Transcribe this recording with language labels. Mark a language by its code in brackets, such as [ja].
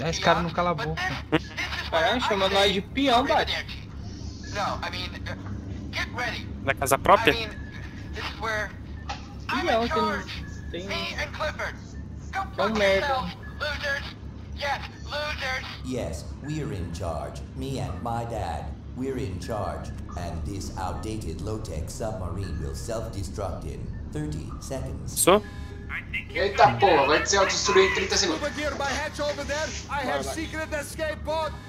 [pt] Esse cara não cala a boca. Caralho, chama nós de peão, bate. [en] No, I mean, get ready. [pt] Na casa própria? [en] This is where I'm in charge. Tem... Me and Clifford. Go fuck yourselves, losers! Yes, losers! Yes, we're in charge. Me and my dad. We're in charge. And this outdated low-tech submarine will self-destruct in 30 seconds. So? [pt] Eita porra, vai se autodestruir em 30 segundos. [en] Over here by hatch over there, I have secret escape pod.